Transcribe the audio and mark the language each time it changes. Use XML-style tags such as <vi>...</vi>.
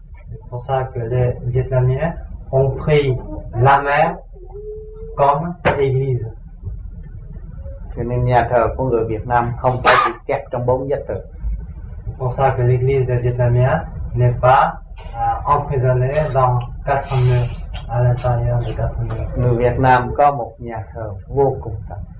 <fr>C'est pour ça que les Vietnamiens ont pris la mer comme l'église.</fr> <vi>Cho nên nhà thờ của người Việt Nam không phải bị kẹt trong bốn giới từ.</vi> <fr>C'est pour ça que l'église de Vietnamien n'est pas emprisonnée dans quatre murs, à l'intérieur de quatre murs.</fr> <vi>Người Việt Nam có một nhà thờ vô cùng tận.</vi>